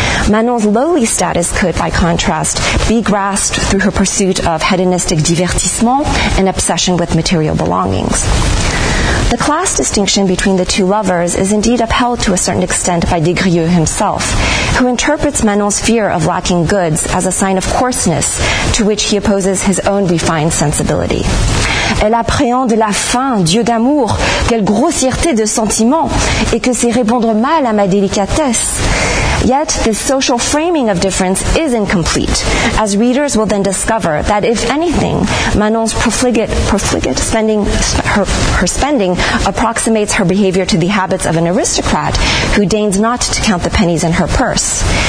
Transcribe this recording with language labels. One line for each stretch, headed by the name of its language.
English: Manon's lowly status could, by contrast, be grasped through her pursuit of hedonistic divertissement and obsession with material belongings. The class distinction between the two lovers is indeed upheld to a certain extent by Des Grieux himself, who interprets Manon's fear of lacking goods as a sign of coarseness to which he opposes his own refined sensibility.
French: Elle appréhende la faim, Dieu d'amour, quelle grossièreté de sentiment, et que c'est répondre mal à ma délicatesse.
English: Yet, this social framing of difference is incomplete, as readers will then discover that, if anything, Manon's profligate spending, her spending approximates her behavior to the habits of an aristocrat who deigns not to count the pennies in her purse.